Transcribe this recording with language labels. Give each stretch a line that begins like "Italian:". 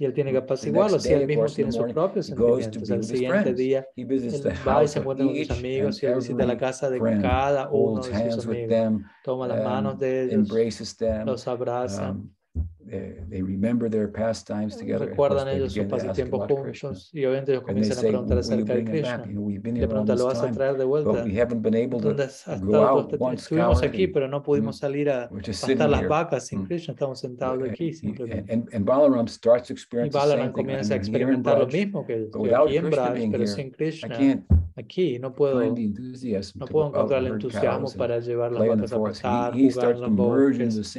Spanish: Y él tiene que apaciguarlo, si él mismo tiene sus propios sentimientos. El siguiente día, él va y se encuentra con sus amigos, y él visita la casa de cada uno de sus amigos. Toma las manos de ellos, los abraza.
English: They remember their pastimes together.
Spanish: Recuerdan ellos sus pasatiempos juntos y obviamente ellos comienzan a preguntar acerca de Krishna. De pronto lo vas a traer de vuelta.
English: But we haven't been able to go out once.
Spanish: Estuvimos aquí, pero no pudimos salir a pastar las vacas sin Krishna. Estamos sentados aquí simplemente.
English: And Balaram starts experiencing the same thing.
Spanish: Y Balaram comienza a experimentar lo mismo que aquí en Braj, pero sin Krishna. Aquí no puedo encontrar el entusiasmo para llevar las vacas a pasar, jugar en los bosques.